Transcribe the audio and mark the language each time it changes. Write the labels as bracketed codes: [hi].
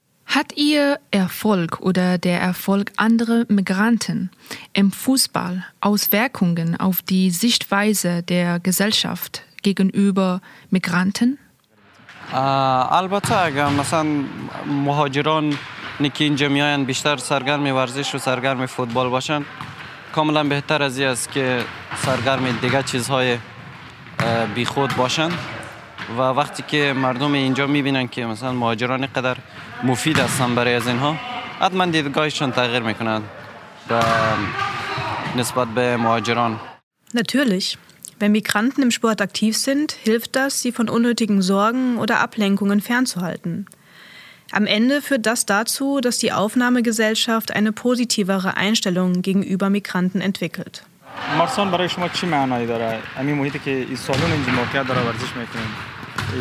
[de] Hat ihr Erfolg oder der Erfolg anderer Migranten im Fußball Auswirkungen auf die Sichtweise der Gesellschaft gegenüber Migranten? [fa] البته اگر مثلا مهاجران نیکی اینجا میاین بیشتر سرگرم ورزش و سرگرم فوتبال باشن کاملا بهتر از این است که سرگرم دیگه چیزهای بی خود باشن و وقتی که مردم اینجا میبینن که مثلا مهاجران قدر مفید هستن برای از اینها حتما دیدگاهشون تغییر میکنن نسبت به مهاجران. [de] Natürlich. Wenn Migranten im Sport aktiv sind, hilft das, sie von unnötigen Sorgen oder Ablenkungen fernzuhalten. Am Ende führt das dazu, dass die Aufnahmegesellschaft eine positivere Einstellung gegenüber Migranten entwickelt. Marson, was ist das für eine Bedeutung? Ich möchte, dass wir in diesem Bereich der Arbeit machen.